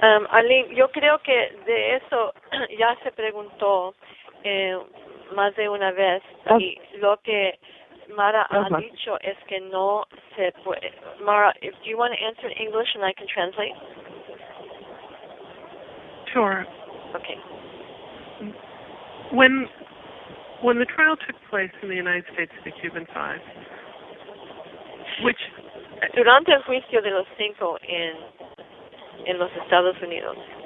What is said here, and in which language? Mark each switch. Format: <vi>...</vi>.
<es>Arlene, yo creo que de eso ya se preguntó más de una vez, y lo que Mara ha dicho es que no se puede.</es> <en>Mara, if you want to answer in English and I can translate? Sure. Okay. When the trial took place in the United States of the Cuban Five, which...</en> <es>Durante el juicio de los cinco en los Estados Unidos.</es>